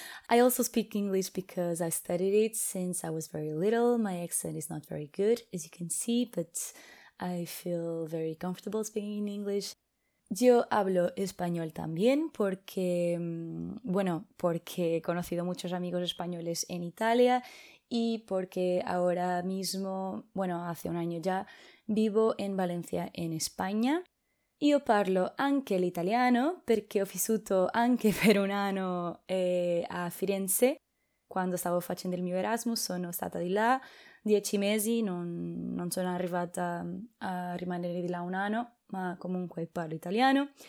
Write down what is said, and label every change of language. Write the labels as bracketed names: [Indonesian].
[English] I also speak English because I studied it since I was very little. My accent is not very good, as you can see, but I feel very comfortable speaking in English. [Spanish] Yo hablo español también porque, bueno, porque he conocido muchos amigos españoles en Italia y porque ahora mismo, bueno, hace un año ya, vivo en Valencia, en España. [Italian] Yo parlo anche l'italiano porque ho vissuto anche per un anno a Firenze. Quando stavo facendo il mio Erasmus sono stata di là 10 mesi, non sono arrivata a rimanere di là un anno, ma comunque parlo italiano.